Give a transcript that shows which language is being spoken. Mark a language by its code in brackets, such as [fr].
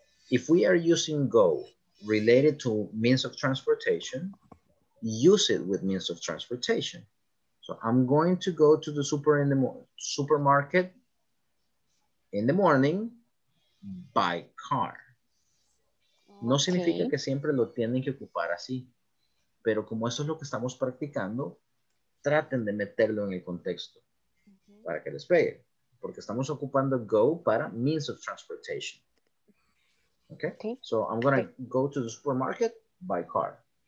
[en] If we are using go related to means of transportation, use it with means of transportation. So I'm going to go to the supermarket in the morning by car. [es] No significa que siempre lo tienen que ocupar así, pero como eso es lo que estamos practicando, traten de meterlo en el contexto para que les pegue, porque estamos ocupando go para means of transportation. [en] Okay? So I'm going to go to the supermarket by car.